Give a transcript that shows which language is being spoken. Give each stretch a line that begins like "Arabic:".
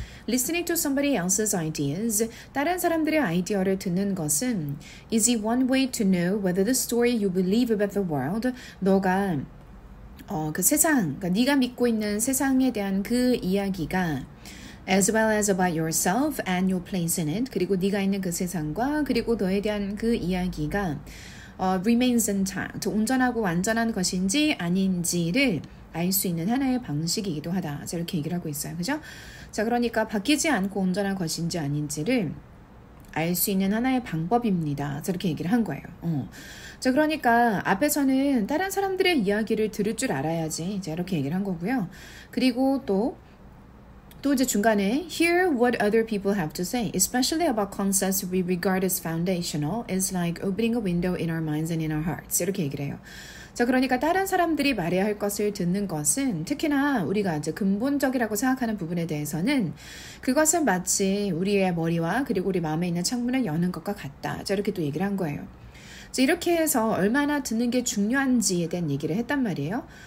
English: Listening to somebody else's ideas,
Korean: 다른 사람들의 아이디어를 듣는 것은
English: is it one way to know whether the story you believe about the world,
Korean: 너가 그 세상, 그러니까 네가 믿고 있는 세상에 대한 그 이야기가
English: as well as about yourself and your place in it,
Korean: 그리고 네가 있는 그 세상과 그리고 너에 대한 그 이야기가
English: remains intact,
Korean: 온전하고 완전한 것인지 아닌지를 알 수 있는 하나의 방식이기도 하다. 이렇게 얘기를 하고 있어요. 그죠? 자, 그러니까 바뀌지 않고 온전한 것인지 아닌지를 알 수 있는 하나의 방법입니다. 저렇게 얘기를 한 거예요. 자, 그러니까 앞에서는 다른 사람들의 이야기를 들을 줄 알아야지. 이제 이렇게 얘기를 한 거고요. 그리고 또 이제 중간에
English: hear what other people have to say, especially about concepts we regard as foundational, is like opening a window in our minds and in our hearts.
Korean: 이렇게 얘기를 해요. 자, 그러니까 다른 사람들이 말해야 할 것을 듣는 것은 특히나 우리가 이제 근본적이라고 생각하는 부분에 대해서는 그것은 마치 우리의 머리와 그리고 우리 마음에 있는 창문을 여는 것과 같다. 자, 이렇게 또 얘기를 한 거예요. 자, 이렇게 해서 얼마나 듣는 게 중요한지에 대한 얘기를 했단 말이에요.